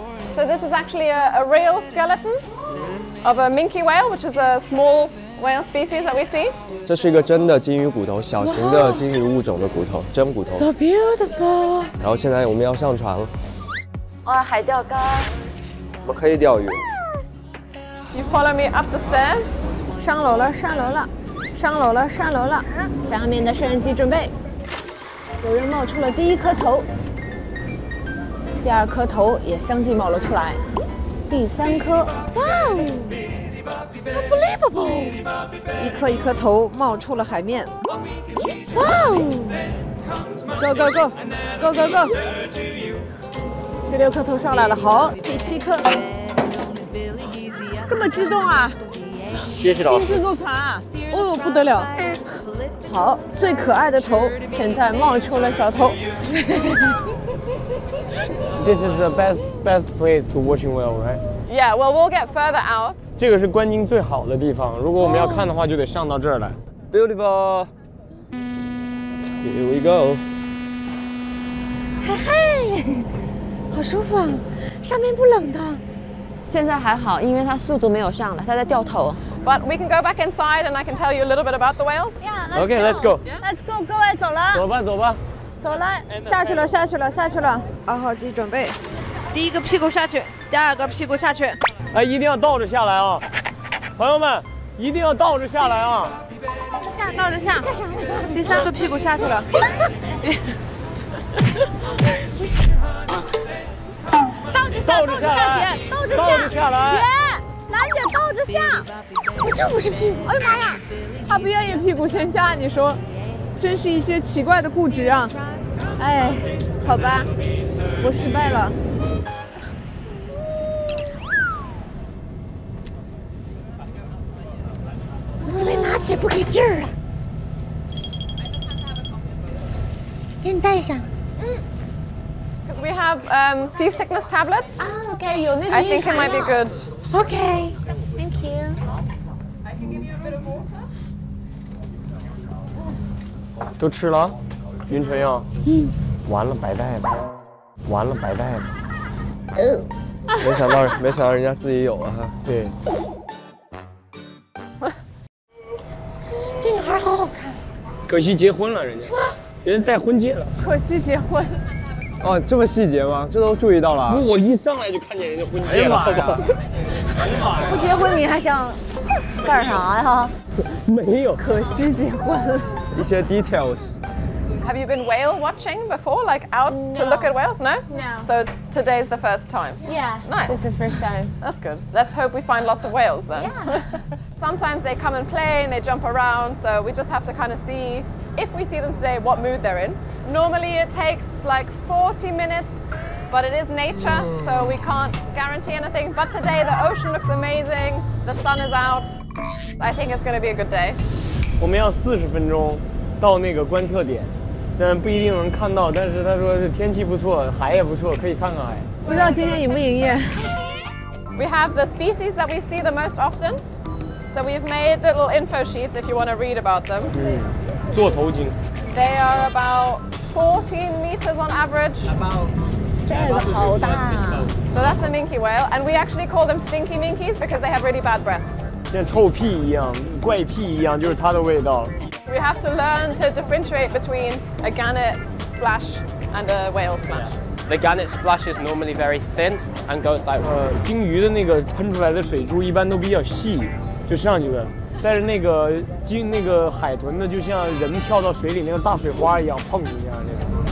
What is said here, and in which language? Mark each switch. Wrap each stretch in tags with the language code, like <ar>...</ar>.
<en>So this is actually a real skeleton of a minke whale, which is a small whale species that we see.</en> <zh>这是一个真的鲸鱼骨头，小型的鲸鱼物种的骨头，真骨头。</zh> <en>So beautiful.</en> <zh>然后现在我们要上船了。哇，海钓竿。我们可以钓鱼。</zh> <en>You follow me up the stairs.</en> <zh>上楼了，上楼了，上楼了，上楼了。下面的摄影机准备。有人冒出了第一颗头，第二颗头也相继冒了出来，第三颗，哇哦</zh> <en>，unbelievable！</en> <zh>一颗一颗头冒出了海面，哇哦</zh> <en>，go go go go go go。</en> <zh>第六颗头上来了，好，第七颗，这么激动啊！谢谢老师。第一次坐船啊，哦，不得了！好，最可爱的头现在冒出了小头。</zh> <en>This is the best place to watching whale, right? Yeah, well, we'll get further out.</en> <zh>这个是观鲸最好的地方，如果我们要看的话，就得上到这儿来。</zh> <en>Beautiful. Here we go.</en> <zh>嘿嘿。好舒服啊，上面不冷的。现在还好，因为它速度没有上来，它在掉头。</zh> <en>But we can go back inside and I can tell you a little bit about the whales. Yeah, Let's OK, let's go. Let's go,</en> <zh>各位走了。走吧，走吧。走了，下去了，下去了，下去了。二号机准备，第一个屁股下去，第二个屁股下去。哎，一定要倒着下来啊，朋友们，一定要倒着下来啊。倒着下，倒着下。第三个屁股下去了。倒着下，倒着下，姐，倒着下，倒着下来，姐。兰姐倒着下，我这不是屁股，哎呀妈呀，他不愿意屁股先下，你说，真是一些奇怪的固执啊，哎，好吧，我失败了。我这杯拿铁不给劲儿啊，给你带上。</zh> <en>Because we have seasickness tablets. Ah, okay, you'll need to eat it. I think it might be good. Okay. Thank you. I can give you a bit of water.</en> <zh>都吃了，晕船药。嗯。完了，白带了。完了，白带了。没想到，没想到人家自己有啊。对。这女孩好好看。可惜结婚了，人家。什么？人家戴婚戒了。可惜结婚。哦，这么细节吗？这都注意到了。我一上来就看见人家婚戒了。哎呀妈呀！不结婚你还想干啥呀？没有。可惜结婚了。一些 details。</zh> <en>Have you been whale watching before, like out no. to look at whales? No. No. So today is the first time. Yeah. Nice. This is first time. That's good. Let's hope we find lots of whales then. Yeah. Sometimes they come and play and they jump around. So we just have to kind of see if we see them today, what mood they're in. Normally it takes like 40 minutes, but it is nature, so we can't guarantee anything. But today the ocean looks amazing, the sun is out. I think it's going to be a good day.</en> <zh>我们要40分钟到那个观测点，但不一定能看到。但是他说天气不错，海也不错，可以看看海。不知道今天营不营业。</zh> <en>We have the species that we see the most often, so we've made little info sheets if you want to read about them.</en> <zh>嗯，座头鲸。</zh> <en>They are about 14 meters on average. About. So that's the minke whale, and we actually call them stinky minkies because they have really bad breath.</en> <zh>像臭屁一样，怪屁一样，就是它的味道。</zh> <en>We have to learn to differentiate between a gannet splash and a whale splash. The gannet splash is normally very thin and goes like.</en> <zh>鲸鱼的那个喷出来的水珠一般都比较细，就上去了。但是那个海豚呢，就像人跳到水里那个大水花一样，碰一下那种。</zh>